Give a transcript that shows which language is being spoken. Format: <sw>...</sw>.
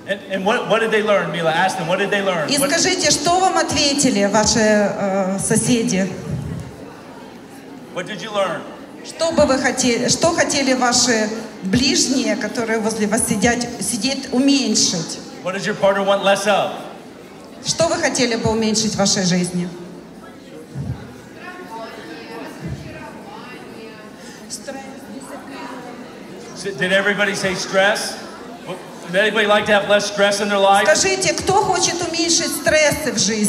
<en>And what did they learn, Mila? Ask them, what did they learn?</en> <ru>И скажите, что вам ответили ваши соседи?</ru> <en>What did you learn?</en> <ru>Что бы вы хотели, что хотели ваши ближние, которые возле вас сидят, уменьшить?</ru> <en>What does your partner want less of?</en> <ru>Что вы хотели бы уменьшить в вашей жизни?</ru> <en>Did everybody say stress? Does anybody like to have less stress in their life?</en> <ru>Скажите, кто хочет уменьшить стрессы в жизни?</ru>